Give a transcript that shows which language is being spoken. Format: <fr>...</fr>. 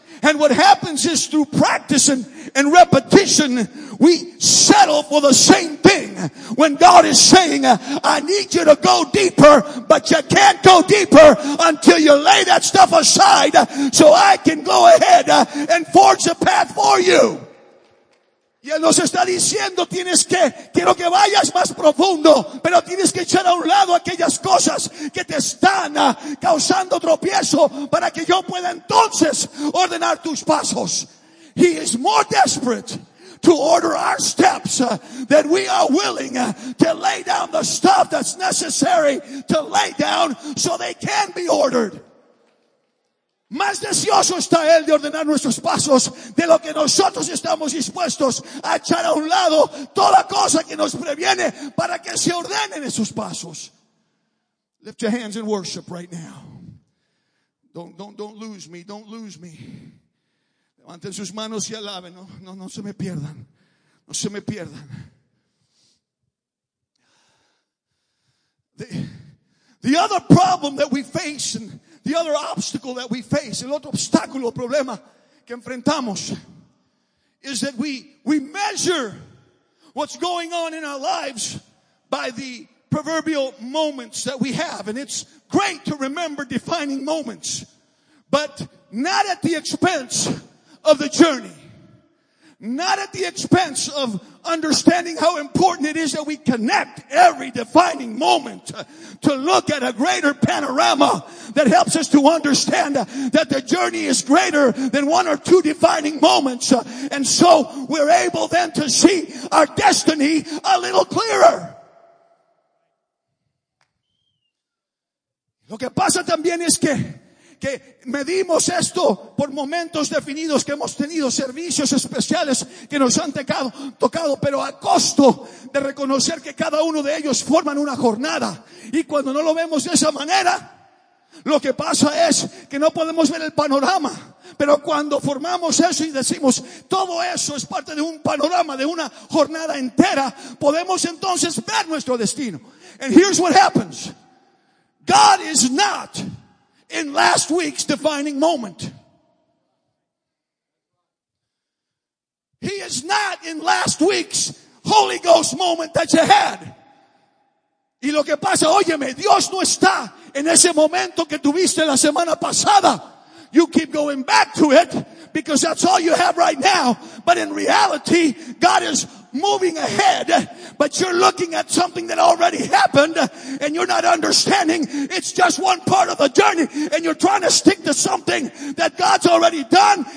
<en>And what happens is through practice and repetition, we settle for the same thing when God is saying, I need you to go deeper, but you can't go deeper until you lay that stuff aside so I can go ahead and forge the path for you.</en> <es>Y Él nos está diciendo, quiero que vayas más profundo, pero tienes que echar a un lado aquellas cosas que te están causando tropiezo para que yo pueda entonces ordenar tus pasos.</es> <en>He is more desperate to order our steps than we are willing to lay down the stuff that's necessary to lay down so they can be ordered.</en> <es>Más deseoso está Él de ordenar nuestros pasos de lo que nosotros estamos dispuestos a echar a un lado toda cosa que nos previene para que se ordenen esos pasos.</es> <en>Lift your hands in worship right now. Don't lose me. Don't lose me.</en> <es>Levanten sus manos y alaben. No se me pierdan. No se me pierdan.</es> <en>The other problem that we face, and the other obstacle that we face,</en> <es>el otro obstáculo, problema que enfrentamos,</es> <en>is that we measure what's going on in our lives by the proverbial moments that we have. And it's great to remember defining moments, but not at the expense of the journey. Not at the expense of understanding how important it is that we connect every defining moment to look at a greater panorama that helps us to understand that the journey is greater than one or two defining moments. And so we're able then to see our destiny a little clearer.</en> <es>Lo que pasa también es que medimos esto por momentos definidos que hemos tenido, servicios especiales que nos han tocado, pero a costo de reconocer que cada uno de ellos forman una jornada. Y cuando no lo vemos de esa manera, lo que pasa es que no podemos ver el panorama. Pero cuando formamos eso y decimos, todo eso es parte de un panorama, de una jornada entera, podemos entonces ver nuestro destino.</es> <en>And here's what happens. God is not in last week's defining moment. He is not in last week's Holy Ghost moment that you had.</en> <es>Y lo que pasa, óyeme, Dios no está en ese momento que tuviste la semana pasada.</es> <en>You keep going back to it because that's all you have right now. But in reality, God is moving ahead, but you're looking at something that already happened and you're not understanding it's just one part of the journey, and you're trying to stick to something that God's already done.</en>